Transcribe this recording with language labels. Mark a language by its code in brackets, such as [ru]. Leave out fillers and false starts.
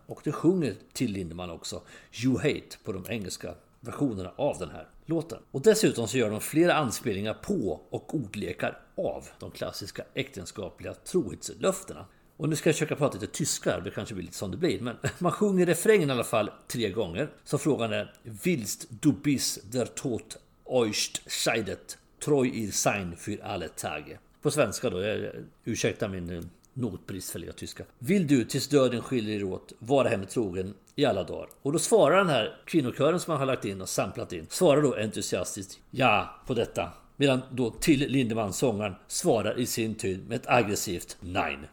[sv] Och det sjunger till Lindemann också [en] you hate [sv] på de engelska versionerna av den här låten. Och dessutom så gör de flera anspelningar på och ordlekar av de klassiska äktenskapliga trohetslöftena. Och nu ska jag försöka prata lite tyska här, det kanske blir lite som det blir. Men man sjunger refrängen i alla fall tre gånger. Så frågan är, [de] willst du bis der Tod euch scheidet, treu ihr sein für alle Tage. [sv] på svenska då. Ursäkta min notbristfälliga tyska. Vill du tills döden skiljer dig åt vara hemma trogen i alla dagar? Och då svarar den här kvinnokören som man har lagt in och samplat in, svarar då entusiastiskt ja på detta. Medan då Till Lindemann-sångaren svarar i sin tur med ett aggressivt nej.